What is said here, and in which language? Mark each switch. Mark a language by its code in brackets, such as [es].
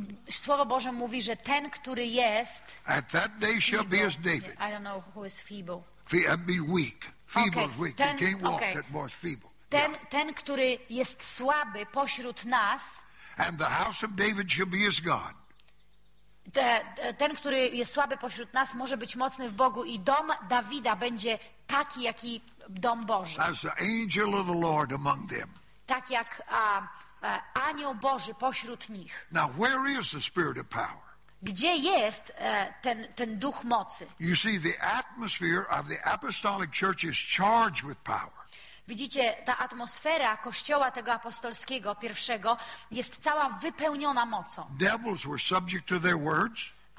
[pl] Słowo Boże mówi, że ten, który jest, [en] at that day shall be as David. I don't know who is feeble. Feeble is weak. Ten, he can't walk, that boy is feeble. [pl] Ten, który jest słaby pośród nas, [en] and the house of David shall be as God. [pl] Ten, który jest słaby pośród nas, może być mocny w Bogu i dom Dawida będzie taki, jak i dom Boży. [en] As the angel of the Lord among them. [pl] Tak jak anioł Boży pośród nich. [en] Now, where is the spirit of power? [pl] Gdzie jest ten duch mocy? [en] You see, the atmosphere of the apostolic church is charged with power. [pl] Widzicie, ta atmosfera kościoła tego apostolskiego, pierwszego, jest cała wypełniona mocą. [en] Devils were subject to their words.